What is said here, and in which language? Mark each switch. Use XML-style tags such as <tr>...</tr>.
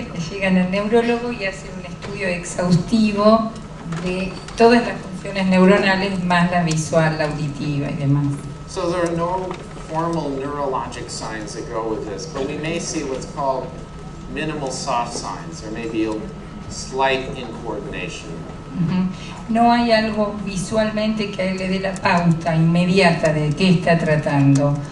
<es>Llegan al neurólogo y hacen un estudio exhaustivo de todas las funciones neuronales más la visual, la auditiva y demás.</es> <en>So there are no formal neurologic signs that go with this, but we may see what's called minimal soft signs. There may be a slight incoordination.</en> <es>No hay algo visualmente que le dé la pauta inmediata de qué está tratando.</es>